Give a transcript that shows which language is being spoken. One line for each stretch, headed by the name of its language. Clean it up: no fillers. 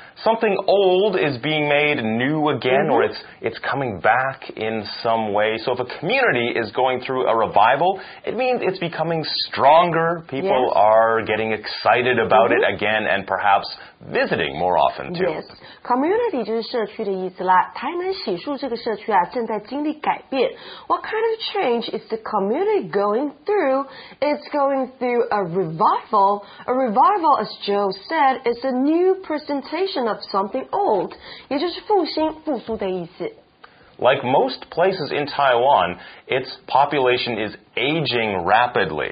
English: Something old is being made new again、 mm-hmm. or it's coming back in some way. So if a community is going through a revival, it means it's becoming stronger. People、 yes. are getting excited about、 mm-hmm. it again and perhaps visiting more often too. Yes,
Chinese: community 就是社区的意思啦。台南喜树这个社区啊正在经历改变。
English: What kind of change is the community going through? It's going through a revival. A revival, as Joe said, is a new presentationof something old,
Chinese: 也就是复兴、复苏的意思。
English: Like most places in Taiwan, its population is aging rapidly.